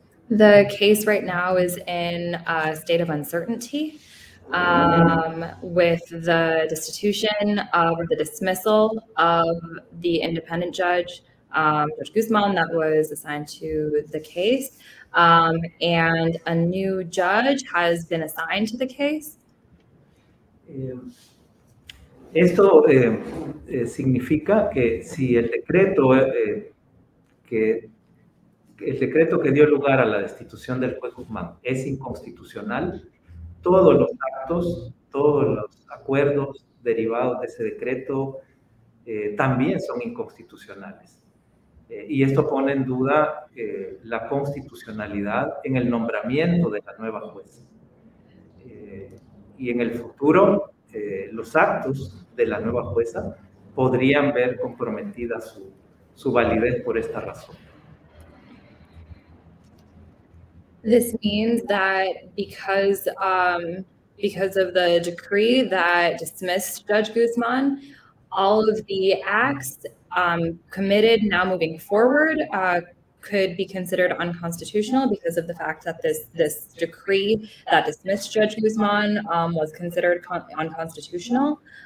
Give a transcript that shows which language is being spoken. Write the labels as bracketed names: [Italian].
[English] The case right now is in a state of uncertainty with the destitution of the dismissal of the independent judge, Judge Guzman, that was assigned to the case. And a new judge has been assigned to the case. [Spanish] Esto significa que si el decreto que dio lugar a la destitución del juez Guzmán es inconstitucional, todos los actos, todos los acuerdos derivados de ese decreto también son inconstitucionales. Y esto pone en duda la constitucionalidad en el nombramiento de la nueva jueza. Y en el futuro, los actos de la nueva jueza podrían ver comprometida su validez por esta razón. [English] This means that because of the decree that dismissed Judge Guzman, all of the acts committed now moving forward could be considered unconstitutional because of the fact that this decree that dismissed Judge Guzman was considered unconstitutional.